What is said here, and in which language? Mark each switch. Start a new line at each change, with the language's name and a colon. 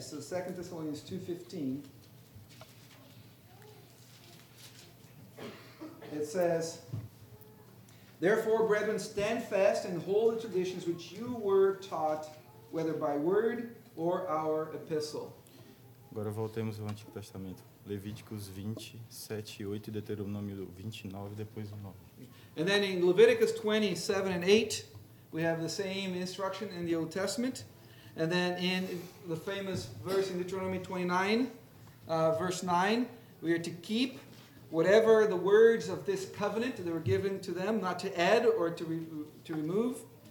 English: So 2 Thessalonians 2:15. It says, therefore, brethren, stand fast and hold the traditions which you were taught, whether by word or our epistle.
Portuguese: Agora voltemos ao Antigo Testamento. Levíticos 20:7-8, Deuteronômio 29, depois 9.
English: And then in Leviticus 20:7-8, we have the same instruction in the Old Testament. And then in the famous verse in Deuteronomy 29, verse 9, we are to keep whatever the words of this covenant that were given to them, not to add or to remove.